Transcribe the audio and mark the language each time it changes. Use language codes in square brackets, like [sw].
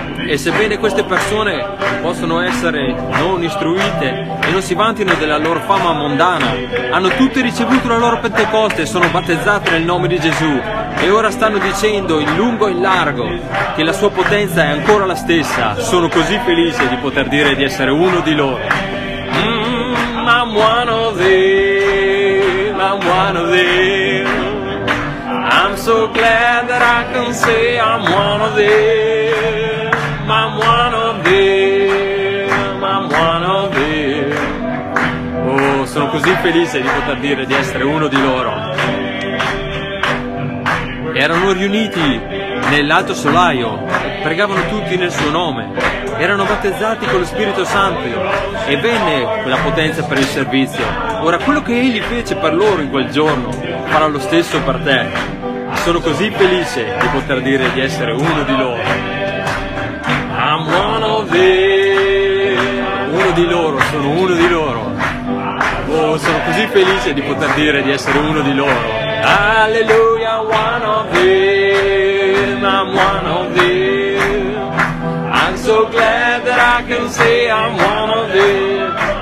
[it] E sebbene queste persone possono essere non istruite e non si vantino della loro fama mondana, hanno tutte ricevuto la loro Pentecoste e sono battezzate nel nome di Gesù, e ora stanno dicendo in lungo e in largo che la sua potenza è ancora la stessa. Sono così felice di poter dire di essere uno di loro. [en] I'm one of them, I'm one of them, I'm so glad that I can say I'm one of them. I'm one of them, I'm one of them. [it] Oh, sono così felice di poter dire di essere uno di loro. Erano riuniti nell'alto solaio, pregavano tutti nel suo nome, erano battezzati con lo Spirito Santo e venne quella potenza per il servizio. Ora, quello che egli fece per loro in quel giorno farà lo stesso per te. Sono così felice di poter dire di essere uno di loro. [en] I'm one of them, [it] uno di loro, sono uno di loro. Oh, sono così felice di poter dire di essere uno di loro. [en] Alleluia, one of them, I'm one of them, I'm so glad that I can say I'm one of them.